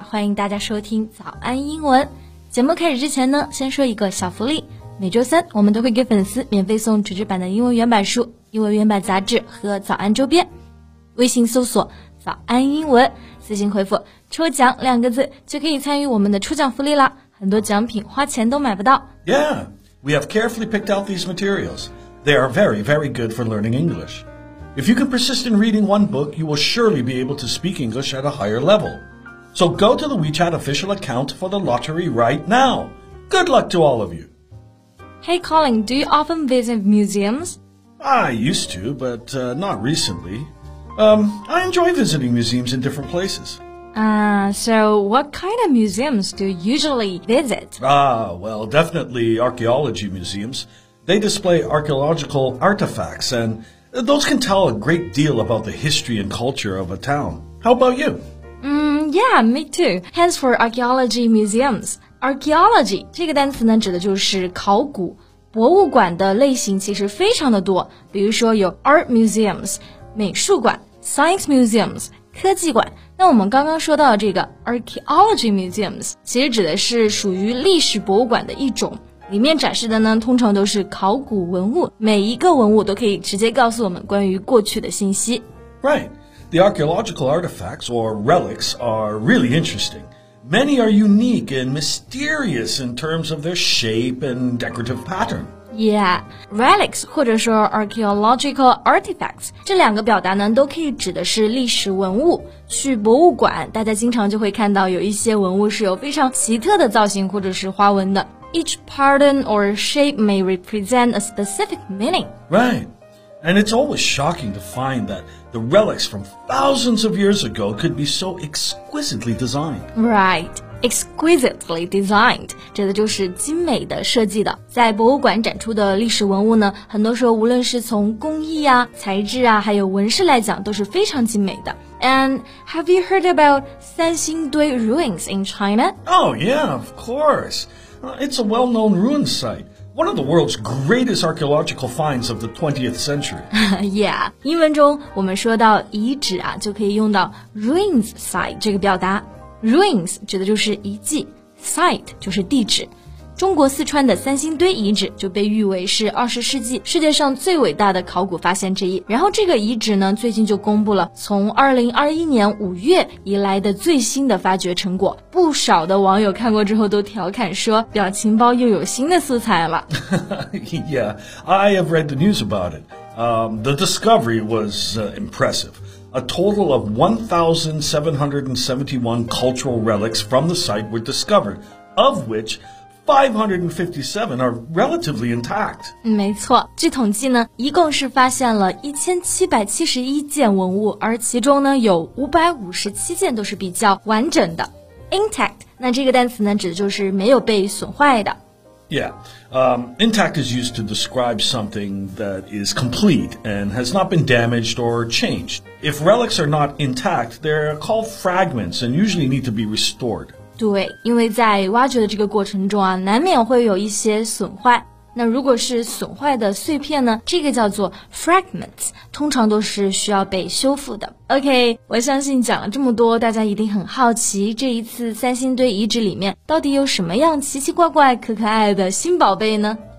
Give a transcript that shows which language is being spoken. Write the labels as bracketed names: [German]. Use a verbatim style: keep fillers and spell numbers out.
[Chinese] 欢迎大家收听早安英文。节目开始之前呢，先说一个小福利。每周三，我们都会给粉丝免费送纸质版的英文原版书、英文原版杂志和早安周边。微信搜索“早安英文”，私信回复“抽奖”两个字，就可以参与我们的抽奖福利啦。很多奖品花钱都买不到。 [English] Yeah, we have carefully picked out these materials. They are very, very good for learning English. If you can persist in reading one book, you will surely be able to speak English at a higher level. So go to the WeChat official account for the lottery right now. Good luck to all of you. Hey, Colin, do you often visit museums? I used to, but uh, not recently. Um, I enjoy visiting museums in different places. Ah, uh, so what kind of museums do you usually visit? Ah, well, definitely archaeology museums. They display archaeological artifacts, and those can tell a great deal about the history and culture of a town. How about you? Mm, yeah, me too. Hence for archaeology museums. [Chinese] Archaeology 这个单词呢，指的就是考古。博物馆的类型其实非常的多，比如说有 art museums, 美术馆 science museums, 科技馆。那我们刚刚说到这个 archaeology museums, 其实指的是属于历史博物馆的一种。里面展示的呢，通常都是考古文物，每一个文物都可以直接告诉我们关于过去的信息。 [English] Right. The archaeological artifacts or relics are really interesting. Many are unique and mysterious in terms of their shape and decorative pattern. [Chinese] Yeah, relics 或者说 archaeological artifacts 这两个表达呢，都可以指的是历史文物。去博物馆，大家经常就会看到有一些文物是有非常奇特的造型或者是花纹的。 [English] Each pattern or shape may represent a specific meaning. Right. And it's always shocking to find that the relics from thousands of years ago could be so exquisitely designed. Right. Exquisitely designed. [Chinese] 指的就是精美的设计的。在博物馆展出的历史文物呢，很多时候无论是从工艺啊、材质啊，还有纹饰来讲，都是非常精美的。 [English] And have you heard about Sanxingdui ruins in China? Oh, yeah, of course. It's a well-known ruin site, one of the world's greatest archaeological finds of the twentieth century. [Chinese] Yeah, 英文中我们说到遗址啊，就可以用到 ruins site 这个表达。 Ruins 指的就是遗迹 ，site 就是地址。中国四川的三星堆遗址就被誉为是二十世纪世界上最伟大的考古发现之一。然后这个遗址呢，最近就公布了从二零二一年五月以来的最新的发掘成果。不少的网友看过之后都调侃说，表情包又有新的素材了。 [English] Yeah, I have read the news about it. Um, the discovery was uh, impressive. A total of one thousand seven hundred seventy-one cultural relics from the site were discovered, of which. five hundred fifty-seven are relatively intact. [Chinese] 没错，据统计呢，一共是发现了一千七百七十一件文物，而其中呢有五百五十七件都是比较完整的。 Intact， 那这个单词呢指的就是没有被损坏的。 [English] Yeah, um, intact is used to describe something that is complete and has not been damaged or changed. If relics are not intact, they're called fragments and usually need to be restored. [Chinese] 对，因为在挖掘的这个过程中啊，难免会有一些损坏。那如果是损坏的碎片呢，这个叫做 fragments， 通常都是需要被修复的。 OK， 我相信讲了这么多，大家一定很好奇，这一次三星堆遗址里面到底有什么样奇奇怪怪、可可爱的新宝贝呢？